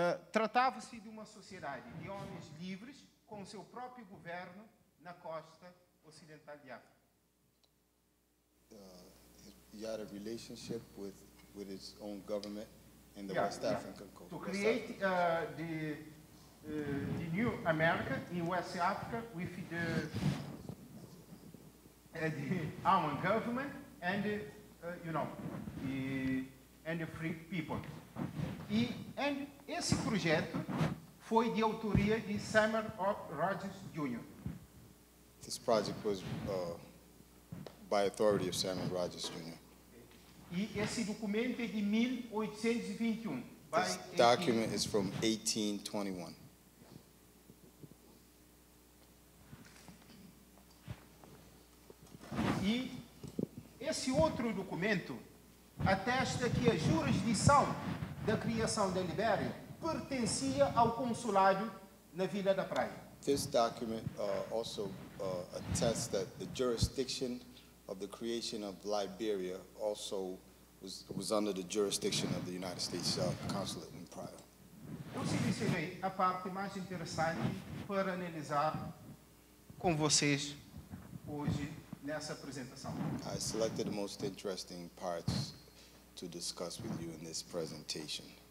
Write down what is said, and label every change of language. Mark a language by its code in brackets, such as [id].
[pt] Tratava-se de uma sociedade de homens livres com seu próprio governo na costa ocidental de África. [en] He had a relationship with his own government in the West African coast. To create the new America in West Africa with the own government and the free people. And [pt] esse projeto foi de autoria de Samuel Rogers Jr. [en] This project was by authority of Samuel Rogers Jr. [pt] E esse documento é de 1821. [en] This document is from 1821. [pt] E esse outro documento atesta que a jurisdição da criação da Libéria pertencia ao consulado na Vila da Praia. [en] This document also attests that the jurisdiction of the creation of Liberia also was under the jurisdiction of the United States consulate in Praia. [pt] Eu selecionei a parte mais interessante para analisar com vocês hoje nessa apresentação. [en] I selected the most interesting parts to discuss with you in this presentation.